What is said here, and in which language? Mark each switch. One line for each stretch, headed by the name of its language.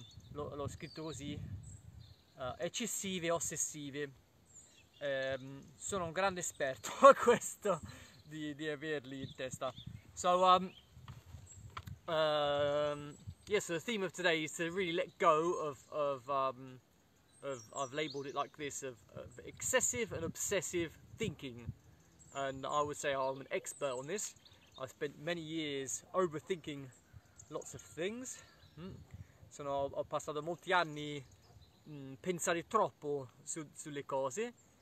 Italian: L'ho scritto così, eccessive, ossessive. Sono un grande esperto a questo di averli in testa.
English: So yes, the theme of today is to really let go of I've labeled it like this, of excessive and obsessive thinking. And I would say I'm an expert on this. I've spent many years overthinking lots of things.
Italian: Ho passato molti anni a pensare troppo sulle cose.